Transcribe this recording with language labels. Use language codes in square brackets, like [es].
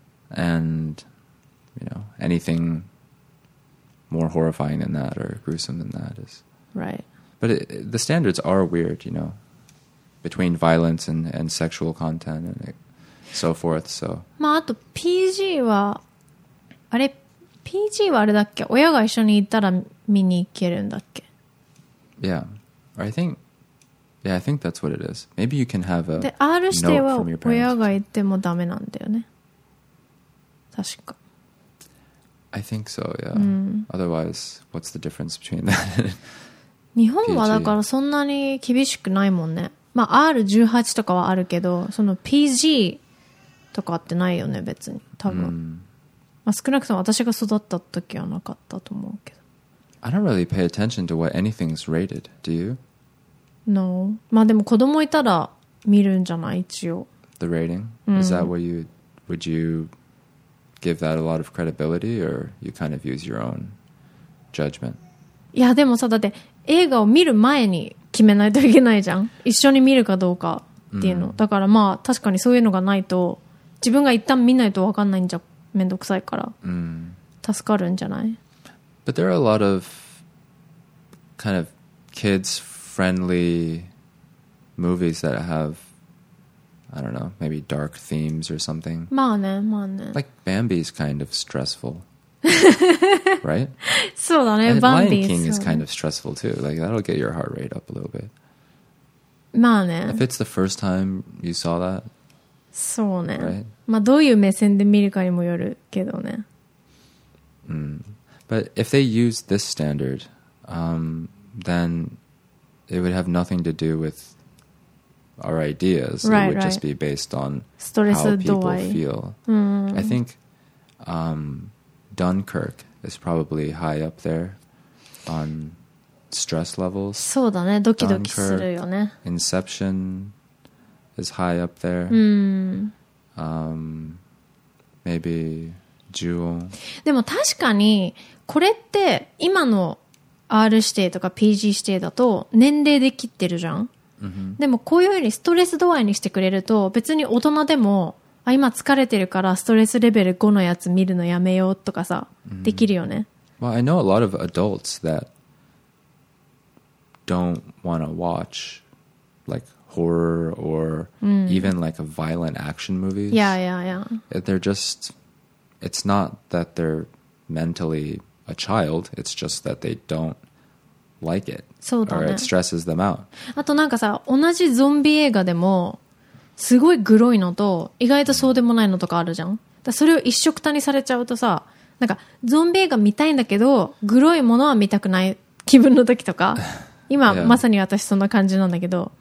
[en] And... You know, anything more horrifying than that or gruesome than that is... Right. But it, the standards are weird, you know, between violence and sexual content and it, so forth, so... [ja] まあ、あと PG は... あれ、PG はあれだっけ?親が一緒にいたら見に行けるんだっけ? [en] Yeah. I think that's what it is. Maybe you can have a note from your parents. [ja] で、R しては親がいてもダメなんだよね。確か。 [en] I think so, yeah.、うん、Otherwise, what's the difference between that? [ja] 日本はだからそんなに厳しくないもんね。まあ R18 とかはあるけど、その PG とかってないよね、別に。多分。Mm. まあ少なくとも私が育った時はなかったと思うけど。 [en] I don't really pay attention to what anything's rated, do you? No. [ja] まあでも子供いたら見るんじゃない、一応。 [en] The rating?、うん、Is that what you... Would you... give that a lot of credibility or you kind of use your own judgment? [ja] いやでもさだって映画を見る前に決めないといけないじゃん一緒に見るかどうかっていうの、mm. だからまあ確かにそういうのがないと自分が一旦見ないと分かんないんじゃめんどくさいから、 mm. 助かるんじゃない [en] But there are a lot of kind of kids friendly movies that haveI don't know, maybe dark themes or something. [ja] まあね、まあね。 [en] Like Bambi's kind of stressful. right? [ja] そうだね、 Bambi. [en] And Lion King is kind of stressful too. Like that'll get your heart rate up a little bit. [ja] まあね。 [en] If it's the first time you saw that. [ja] そうね。 [en] Right? [ja] まあどういう目線で見るかにもよるけどね。 Mm. [en] But if they use this standard, then it would have nothing to do withOur ideas right, it would right. just be based on Stress how people do I. feel.、 Mm. I think、Dunkirk is probably high up there on stress levels. [ja] そうだね、ドキドキするよね。 [en] Inception is high up there.、Mm. Maybe Jewel. [ja] でも確かにこれって今の R 指定とか PG 指定だと年齢で切ってるじゃん。 Mm-hmm. でもこういうふうにストレス度合いにしてくれると別に大人でもあ今疲れてるからストレスレベル5のやつ見るのやめようとかさ、mm-hmm. できるよね [en] Well, I know a lot of adults that don't want to watch like horror or、mm-hmm. even like a violent action movies Yeah, yeah, yeah They're just It's not that they're mentally a child It's just that they don'tLike it, [ja] そうだね、 [en] or it stresses them out. [ja] あとなんかさ、同じゾンビ映画でもすごいグロいのと意外とそうでもないのとかあるじゃん。だそれを一緒くたにされちゃうとさ、なんかゾンビ映画見たいんだけどグロいものは見たくない気分の時とか、今、 [en] yeah. [ja] まさに私そんな感じなんだけど、